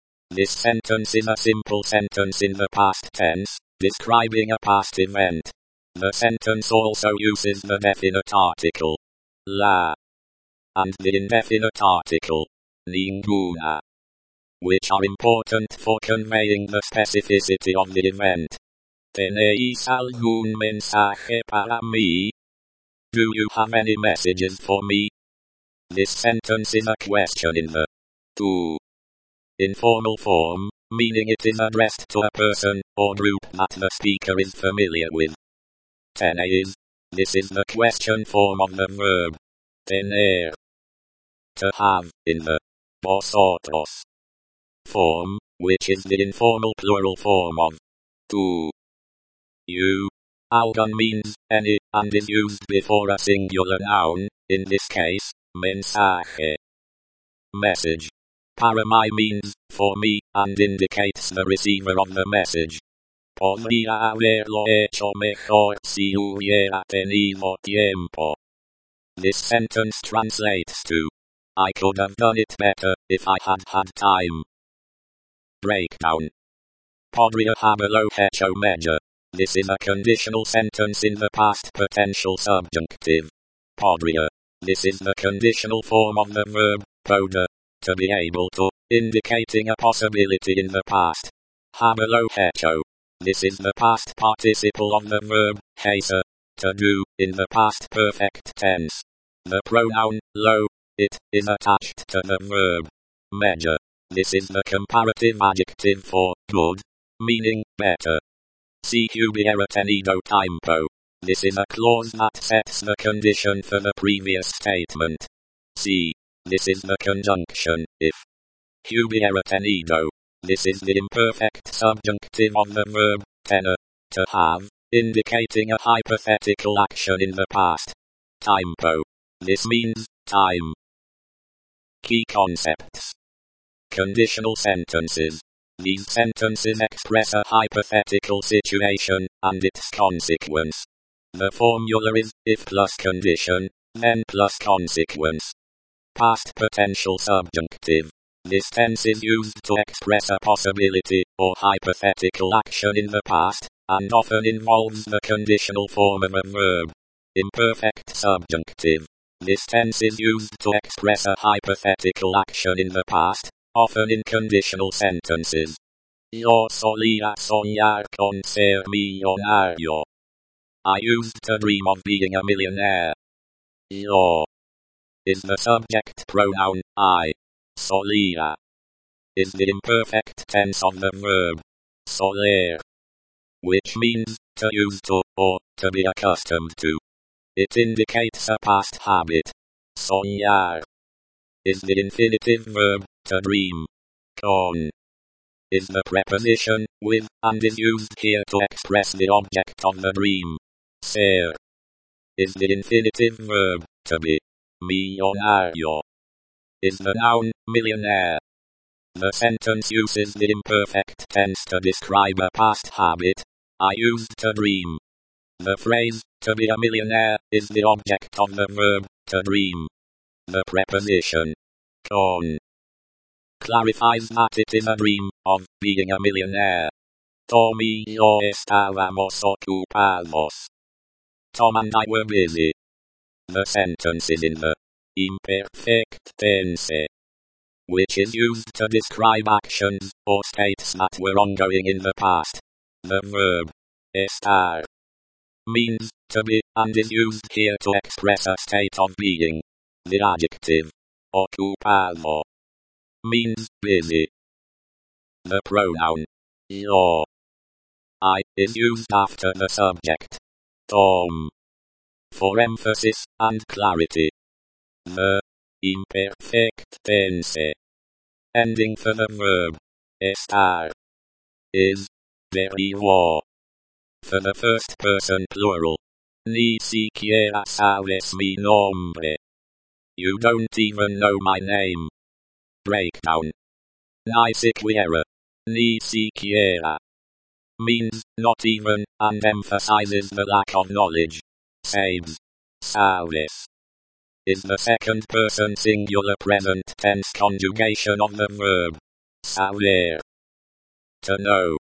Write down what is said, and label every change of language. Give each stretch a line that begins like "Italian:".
English: This sentence is a simple sentence in the past tense, describing a past event. The sentence also uses the definite article, la, and the indefinite article, ninguna, which are important for conveying the specificity of the event.
Spanish: ¿Tenéis algún mensaje para mí?
English: Do you have any messages for me? This sentence is a question in the tú informal form, meaning it is addressed to a person or group that the speaker is familiar with. ¿Tenéis? This is the question form of the verb tener. To have, in the vosotros form, which is the informal plural form of tú. You. Algún means any, and is used before a singular noun, in this case, mensaje. Message.
Spanish: Para mí
English: means for me, and indicates the receiver of the message.
Spanish: Podría haberlo hecho mejor si hubiera tenido tiempo.
English: This sentence translates to I could have done it better, if I had had time. Breakdown.
Spanish: Podría haberlo hecho mejor.
English: This is a conditional sentence in the past potential subjunctive. Podría. This is the conditional form of the verb, poder, to be able to, indicating a possibility in the past.
Spanish: Haberlo hecho.
English: This is the past participle of the verb, hate, to do, in the past perfect tense. The pronoun, lo, it, is attached to the verb, major. This is the comparative adjective for, good, meaning, better.
Spanish: See cubiera tenido tiempo.
English: This is a clause that sets the condition for the previous statement. See, this is the conjunction, if.
Spanish: Cubiera tenido.
English: This is the imperfect subjunctive of the verb, tener, to have, indicating a hypothetical action in the past. Tiempo. This means, time. Key concepts. Conditional sentences. These sentences express a hypothetical situation, and its consequence. The formula is, if plus condition, then plus consequence. Past potential subjunctive. This tense is used to express a possibility, or hypothetical action in the past, and often involves the conditional form of a verb. Imperfect subjunctive. This tense is used to express a hypothetical action in the past, often in conditional sentences.
Spanish: Yo solía soñar con ser millonario.
English: I used to dream of being a millionaire. Yo is the subject pronoun, I. Solía is the imperfect tense of the verb soler, which means to use to or to be accustomed to. It indicates a past habit. Soñar is the infinitive verb to dream. Con is the preposition with and is used here to express the object of the dream. Ser is the infinitive verb to be. Millonario is the noun, millionaire. The sentence uses the imperfect tense to describe a past habit, I used to dream. The phrase, to be a millionaire, is the object of the verb, to dream. The preposition, con, clarifies that it is a dream, of, being a millionaire.
Spanish: Tom y yo estábamos ocupados.
English: Tom and I were busy. The sentence is in the imperfect tense, which is used to describe actions or states that were ongoing in the past. The verb estar means to be and is used here to express a state of being. The adjective ocupado means busy. The pronoun yo, I, is used after the subject, Tom, for emphasis and clarity. The imperfect tense ending for the verb estar is derivo for the first person plural.
Spanish: Ni siquiera sabes mi nombre.
English: You don't even know my name. Breakdown.
Spanish: Ni siquiera. Ni siquiera
English: means not even and emphasizes the lack of knowledge. Sabes. Sabes is the second person singular present tense conjugation of the verb saber, to know.